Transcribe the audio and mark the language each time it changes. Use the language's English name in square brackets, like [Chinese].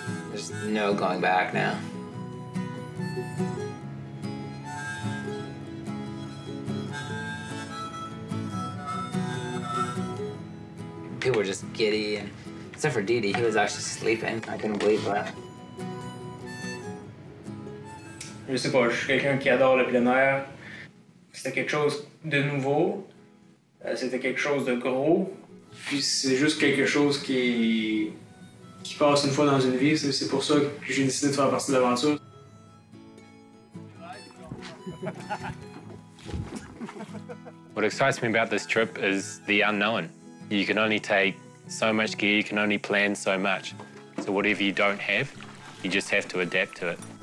[English] There's no going back now. People were just giddy, and except for Didi, he was actually sleeping. I couldn't believe that. [French] Je sais pas, je suis quelqu'un qui adore le plein air. C'était quelque chose de nouveau. C'était quelque chose de gros. Puis c'est juste quelque chose qui passe une fois dans une vie. C'est pour ça que j'ai décidé de faire partie de l'aventure. [English] What excites me about this trip is the unknown. You can only take so much gear, you can only plan so much. So whatever you don't have, you just have to adapt to it.